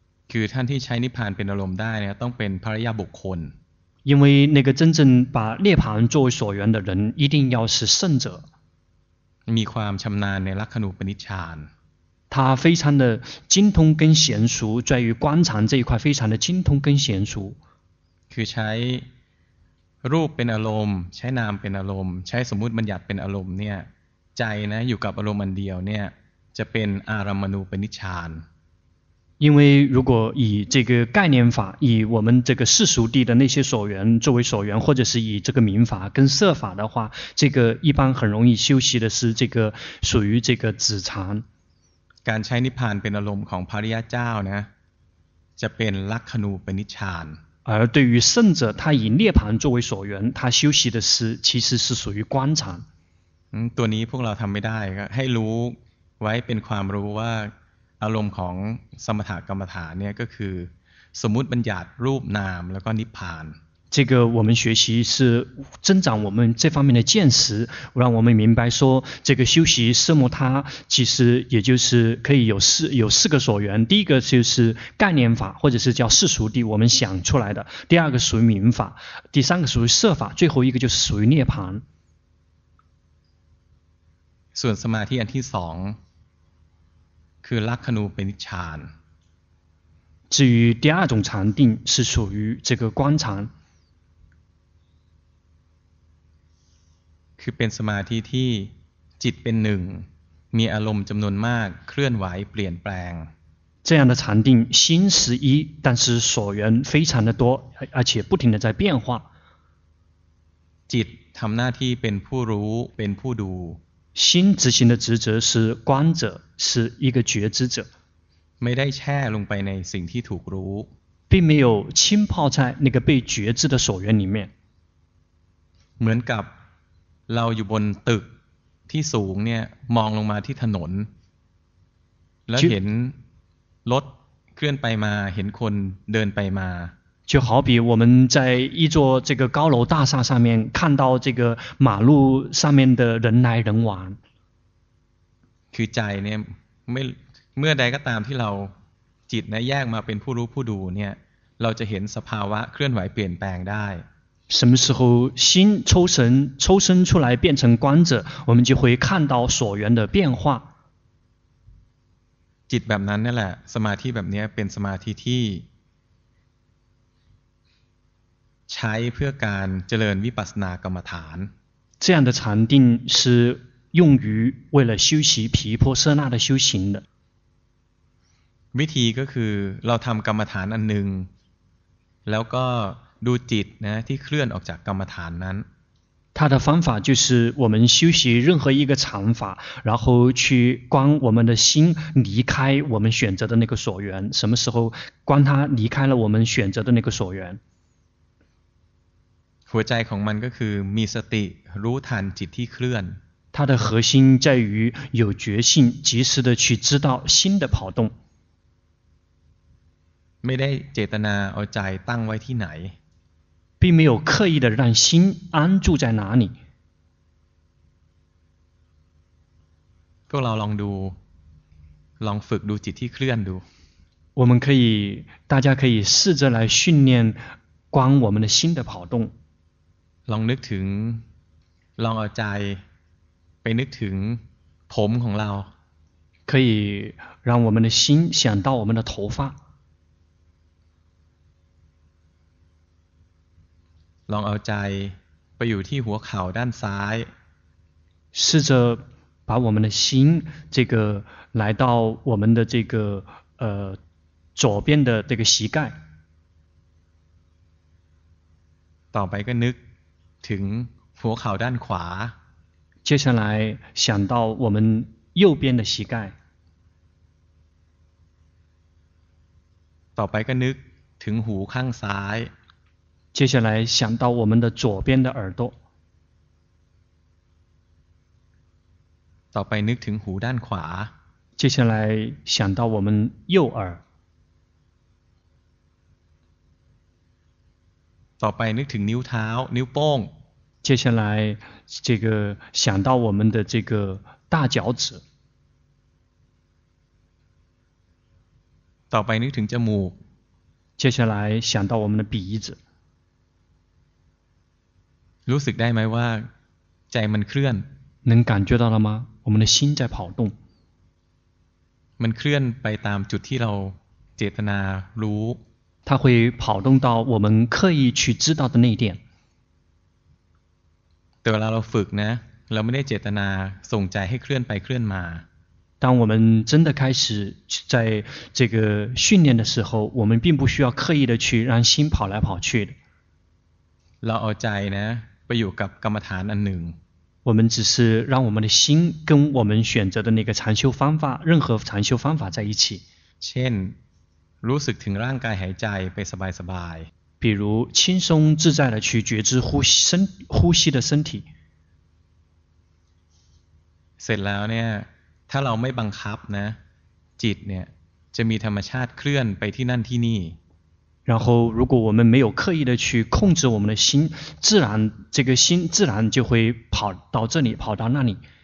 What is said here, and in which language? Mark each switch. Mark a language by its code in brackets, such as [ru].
[th] คือท่านที่ใช้นิพพานเป็นอารมณ์ได้เนี่ยต้องเป็นพระอริยบุคคล [zh] 因为那个真正把涅槃作为所缘的人一定要是圣者 [th] มีความชำนาญในลักขณูปนิชฌาน [zh] 他非常的精通跟娴熟在于观察这一块非常的精通跟娴熟 [th] คือใช้รูปเป็นอารมณ์ใช้นามเป็นอารมณ์ใช้สมมุติบัญญัติเป็นอารมณ์เนี่ยใจนะอยู่กับอารมณ์อันเดียวเนี่ยจะเป็นอารัมมณูปนิชฌาน [zh] 因为如果以这个概念法以我们这个世俗地的那些所缘作为所缘或者是以这个明法跟色法的话这个一般很容易修习的是这个属于这个止禅 [th] การใช้นิพพานเป็นอารมณ์ของพระอริยะเจ้านะจะเป็นลักขณูปนิชฌาน [zh] 而对于圣者他以涅槃作为所缘他修习的是其实是属于观禅 [th] ตัวนี้พวกเราทำไม่ได้ก็ให้รู้ไว้เป็นความรู้ว่าอารมณ์ของสมถกรรมฐานเนี่ยก็คือสมมุติบัญญัติรูปนามแล้วก็นิพพาน [zh] 这个我们学习是增长我们这方面的见识让我们明白说这个修习奢摩他其实也就是可以有四个所缘第一个就是概念法或者是叫世俗地我们想出来的第二个属于明法第三个属于色法最后一个就是属于涅槃 [th] ส่วนสมาธิอันที่สองคือลักขณูปนิชฌาน [zh] 至于第二种禅定是属于这个观禅 [th] คือเป็นสมาธิที่จิตเป็นหนึ่งมีอารมณ์จำนวนมากเคลื่อนไหวเปลี่ยนแปลง [zh] 这样的禅定心是一但是所缘非常的多而且不停的在变化 [th] จิตทำหน้าที่เป็นผู้รู้เป็นผู้ดู [zh] 心执行的职责是观者是一个觉知者 [th] ไม่ได้แช่ลงไปในสิ่งที่ถูกรู้ [zh] 并没有浸泡在那个被觉知的所缘里面 [th] เหมือนกับเราอยู่บนตึกที่สูงเนี่ยมองลงมาที่ถนนแล้วเห็นรถเคลื่อนไปมาเห็นคนเดินไปมา [zh] 就好比我们在一座这个高楼大厦上面看到这个马路上面的人来人往 [th] คือใจเนี่ยเมื่อใดก็ตามที่เราจิตเนี่ยแยกมาเป็นผู้รู้ผู้ดูเนี่ยเราจะเห็นสภาวะเคลื่อนไหวเปลี่ยนแปลงได้ [zh] 什么时候心抽身出来变成观者我们就会看到所缘的变化 [th] จิตแบบนั้นนี่แหละสมาธิแบบนี้เป็นสมาธิที่ใช้เพื่อการเจริญวิปัสสนากรรมฐาน [zh] 这样的禅定是用于为了修习毗婆舍那的修行的 [th] วิธีก็คือเราทำกรรมฐานอันหนึ่งแล้วก็ดูจิตนะที่เคลื่อนออกจากกรรมฐานนั้น [zh] 他的方法就是我们修习任何一个禅法然后去观我们的心离开我们选择的那个所缘什么时候观它离开了我们选择的那个所缘 [th] หัวใจของมันก็คือมีสติรู้ทันจิตที่เคลื่อน [zh] 它的核心在于有觉性及时的去知道心的跑动 [th] ไม่ได้เจตนาเอาใจตั้งไว้ที่ไหน [zh] 并没有刻意的让心安住在哪里 [th] พวกเราลองดูลองฝึกดูจิตที่เคลื่อนดู [zh] 我们可以大家可以试着来训练观我们的心的跑动 [th] ลองนึกถึงลองเอาใจไปนึกถึงผมของเรา [zh] 可以让我们的心想到我们的头发 [th] ลองเอาใจไปอยู่ที่หัวเข่าด้านซ้าย [zh] 试着把我们的心这个来到我们的这个左边的这个膝盖 [th] ต่อไปก็นึกถึงหัวเข่าด้านขวา [zh] 接下来想到我们右边的膝盖 [th] ต่อไปก็นึกถึงหูข้างซ้าย [zh] 接下来想到我们的左边的耳朵。 [th] ต่อไปนึกถึงหูด้านขวา。 [zh] 接下来想到我们右耳。 [th] ต่อไปนึกถึงนิ้วเท้านิ้วโป้ง。 [zh] 接下来这个想到我们的这个大脚趾。 [th] ต่อไปนึกถึงจมูก。 [zh] 接下来想到我们的鼻子。 [th] รู้สึกได้ไหมว่าใจมันเคลื่อน [zh] 能感觉到了吗我们的心在跑动 [th] มันเคลื่อนไปตามจุดที่เราเจตนารู้ [zh] 它会跑动到我们刻意去知道的那一点 [th] แต่เวลาเราฝึกนะเราไม่ได้เจตนาส่งใจให้เคลื่อนไปเคลื่อนมา [zh] 当我们真的开始在这个训练的时候我们并不需要刻意的去让心跑来跑去 [th] 的เราเอาใจนะไปอยู่กับกรรมฐานอันหนึ่ง [zh] 我们只是让我们的心跟我们选择的那个禅修方法任何禅修方法在一起 [th] เช่นรู้สึกถึงร่างกายหายใจไปสบายสบาย [zh] 比如轻松自在的去觉知呼吸的身体 [th] เสร็จแล้วเนี่ยถ้าเราไม่บังคับนะจิตเนี่ยจะมีธรรมชาติเคลื่อนไปที่นั่นที่นี่ [zh] 然后如果我们没有刻意的去控制我们的心自然这个心自然就会跑到这里跑到那里